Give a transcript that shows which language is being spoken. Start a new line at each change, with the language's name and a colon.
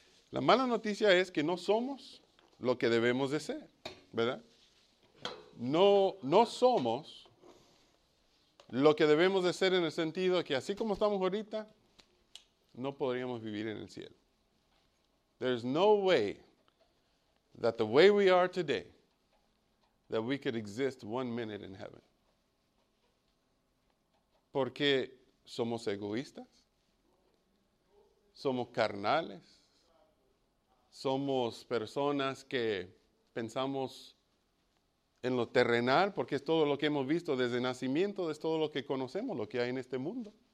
Spanish: La mala noticia es que no somos lo que debemos de ser, ¿verdad? No somos lo que debemos de ser en el sentido que así como estamos ahorita, no podríamos vivir en el cielo.
English: There's no way that the way we are today, that we could exist one minute in heaven.
Spanish: Porque somos egoístas, somos carnales, somos personas que pensamos en lo terrenal, porque es todo lo que hemos visto desde nacimiento, es todo lo que conocemos, lo que hay en este mundo.